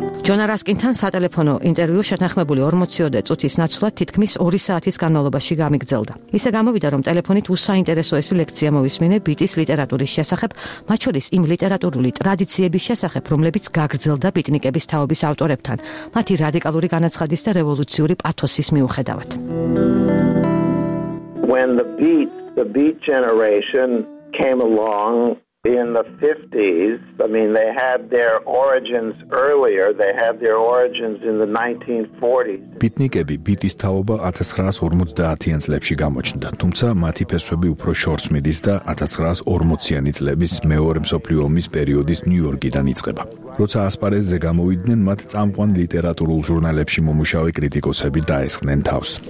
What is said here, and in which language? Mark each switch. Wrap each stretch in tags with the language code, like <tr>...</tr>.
<ka>ჯონა რასკინთან სატელეფონო ინტერვიუ შეთანხმებული 40-ამდე წუთის ნაცვლად თითქმის 2 საათის განმავლობაში გამიგრძელდა. ისე გამოვიდა, რომ ტელეფონით უსაინტერესო ეს ლექცია მოვისმინე ბიტის ლიტერატურის შესახებ, მათ შორის იმ ლიტერატურული ტრადიციების შესახებ, რომლებიც გაგრძელდა ბიტნიკების თაობის ავტორებთან, მათი რადიკალური განაცხადის და რევოლუციური პათოსის მიუხედავად.</ka> <en>When the beat generation came along in the 50s, I mean, they had their origins earlier, they had their origins in the 1940s.</en> <ka>ბიტნიკები ბიტის თაობა 1950-იან წლებში გამოჩნდა, თუმცა მათი ფესვები უფრო შორს მიდის და 1940-იანი წლების მეორე მსოფლიო ომის პერიოდის ნიუ-იორკიდან იწყება. როცა ასპარეზზე გამოვიდნენ, მათ წამყვან ლიტერატურულ ჟურნალებში მომუშავე კრიტიკოსები დაესხნენ თავს.</ka>